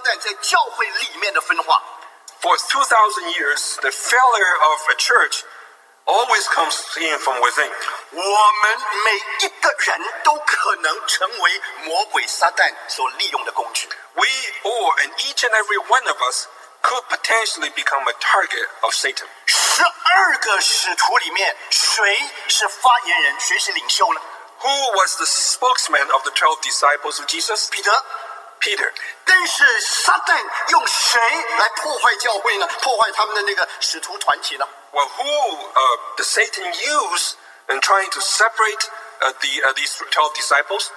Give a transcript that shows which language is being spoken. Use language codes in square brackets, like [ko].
[zh] 2000年来我们看见基督教的失败或者基督教的惨败是因为魔鬼撒旦在教会里面的分化。 [en] For 2,000 years, the failure of a church always comes in from within. [zh] 我们每一个人都可能成为魔鬼撒旦所利用的工具。 [en] We all and each and every one of us could potentially become a target of Satan. [zh] 12个使徒里面,谁是发言人,谁是领袖呢? [en] Who was the spokesman of the 12 disciples of Jesus? Peter. Peter. [zh] 但是撒旦用谁来破坏教会呢? 破坏他们的那个使徒团体呢? [en] Well, who did Satan use in trying to separate these 12 disciples?